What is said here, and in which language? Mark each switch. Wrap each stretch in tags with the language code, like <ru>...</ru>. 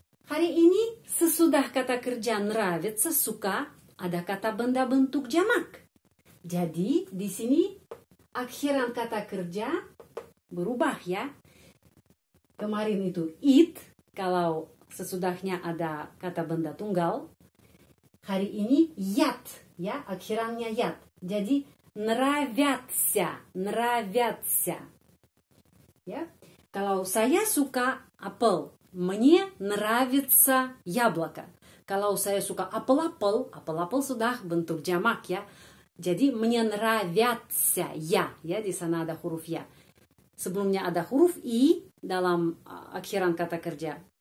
<id>Hari ini sesudah kata kerja нравится suka ada kata benda bentuk jamak. Jadi di sini akhiran kata kerja berubah ya. Kemarin itu it kalau sesudahnya ada kata benda tunggal. Hari ini yat ya, akhirannya yat.</id> <ru>Jadi нравятся, нравятся.</ru> <id>Ya. Kalau saya suka apel,</id> <ru>мне нравится яблоко.</ru> <id>Kalau saya suka apel-apel, apel-apel sudah bentuk jamak ya. Jadi</id> <ru>мне нравятся я,</ru> <id>ya, di sana ada huruf я. Sebelumnya ada huruf i dalam akhiran kata kerja.</id>